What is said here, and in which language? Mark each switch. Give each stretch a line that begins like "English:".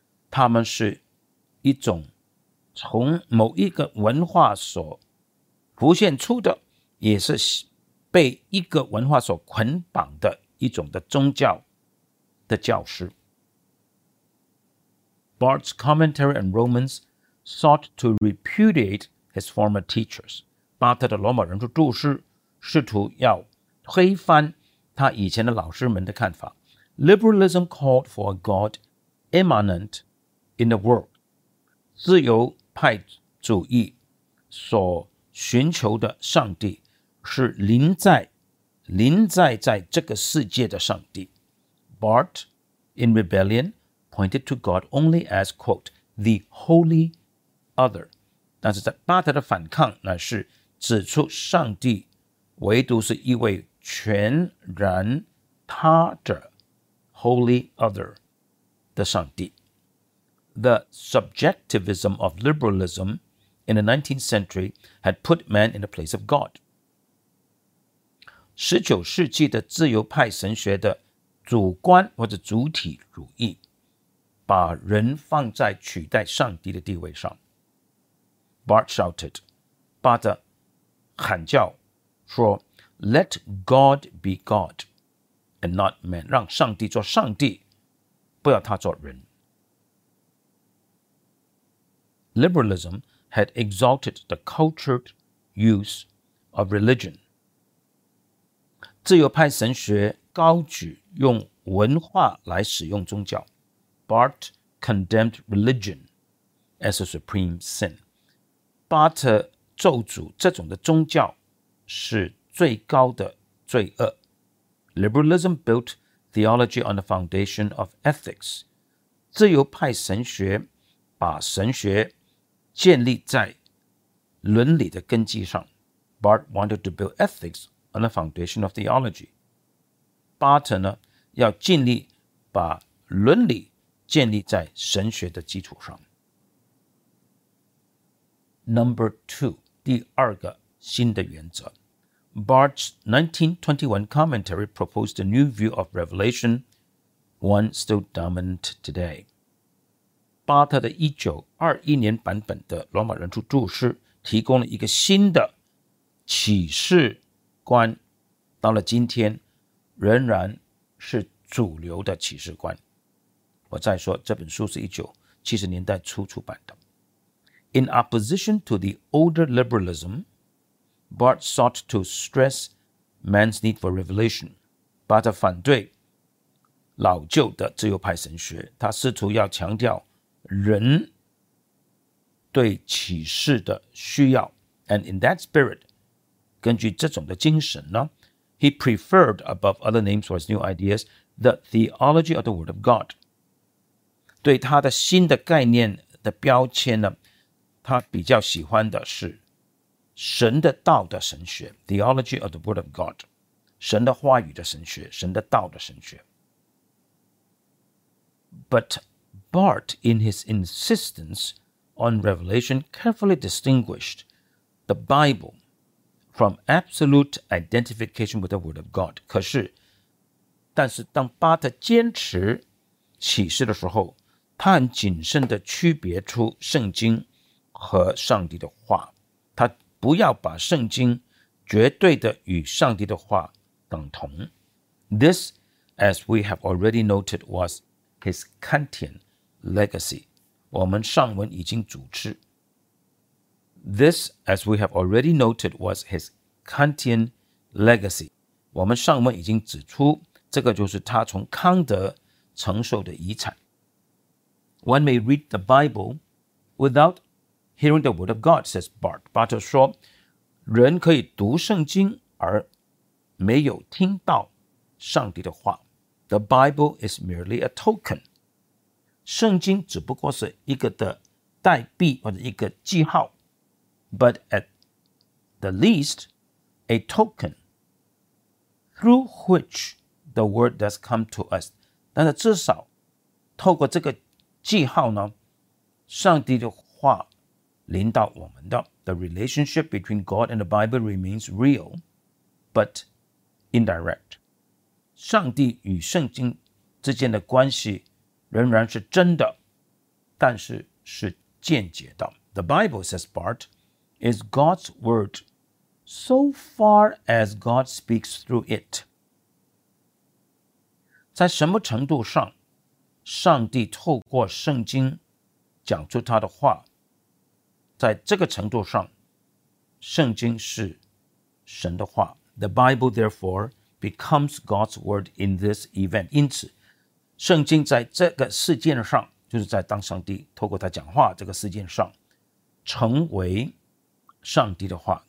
Chinese: 他们是一种从某一个文化所浮现出的也是被一个文化所捆绑的一种的宗教的教师
English: Barth's commentary on Romans sought to repudiate his former teachers
Chinese: 巴特的罗马人书注释试图要推翻他以前的老师们的看法。
English: Liberalism called for a God immanent in the world.
Chinese: 自由派主义所寻求的上帝是临在在这个世界的上帝。
English: Barth, in rebellion, pointed to God only as, quote, the holy other.
Chinese: 但是在巴特的反抗乃是指出上帝唯独是一位全然他者
English: holy other
Chinese: 的上帝。
English: The subjectivism of liberalism in the 19th century had put man in the place of God.
Chinese: 19世纪的自由派神学的主观或者主体主义把人放在取代上帝的地位上。
English: Bart shouted, Bart
Chinese: 喊叫说
English: Let God be God and not man.
Chinese: 让上帝做上帝不要他做人。
English: Liberalism had exalted the cultured use of religion.
Chinese: 自由派神学高举用文化来使用宗教。
English: Bart condemned religion as a supreme sin.
Chinese: Bart 咒诅这种的宗教是最高的罪恶。
English: Liberalism built theology on the foundation of ethics.
Chinese: 自由派神学把神学建立在伦理的根基上。
English: Bart wanted to build ethics on the foundation of theology.
Chinese: Bart 呢，要尽力把伦理建立在神学的基础上。
English: Number two,
Chinese: 第二个新的原则。
English: Bart's 1921 commentary proposed a new view of revelation, one still dominant today.
Chinese: 巴特的1921年版本的《罗马人注注释》提供了一个新的启示观，到了今天仍然是主流的启示观。我再说，这本书是1970年代初出版的。
English: In opposition to the older liberalism, Bart sought to stress man's need for revelation.
Chinese: 巴特反对老旧的自由派神学，他试图要强调人对启示的需要。
English: And in that spirit,
Chinese: 根据这种的精神呢，
English: he preferred above other names for his new ideas, the theology of the word of God.
Chinese: 对他的新的概念的标签呢，他比较喜欢的是神的道的神学，
English: theology of the word of God,
Chinese: 神的话语的神学，神的道的神学。
English: ButBart, in his insistence on revelation, carefully distinguished the Bible from absolute identification with the Word of God.
Chinese: 可是，但是当巴特坚持启示的时候，他很谨慎地区别出圣经和上帝的话。他不要把圣经绝对地与上帝的话等同。
English: This, as we have already noted, was his Kantian legacy.
Chinese: 我们上文已经主持。
English: This, as we have already noted, was his Kantian legacy.
Chinese: 我们上文已经指出，这个就是他从康德承受的遗产。
English: One may read the Bible without hearing the word of God, says Bart.
Chinese: Bart 说，人可以读圣经而没有听到上帝的话。
English: The Bible is merely a token.
Chinese: 圣经只不过是一个的代币或者一个记号。
English: But at the least, a token through which the word does come to us.
Chinese: 但是至少透过这个记号呢，上帝的话临到我们的。
English: The relationship between God and the Bible remains real, but indirect.
Chinese: 上帝与圣经之间的关系仍然是真的，但是是间接的。
English: The Bible, says Bart, is God's word so far as God speaks through it.
Chinese: 在什么程度上，上帝透过圣经讲出他的话，在这个程度上，圣经是神的话。
English: The Bible, therefore, becomes God's word in this event.
Chinese: 因此圣经在这个事件上，就是在当上帝透过他讲话这个事件上，成为上帝的话。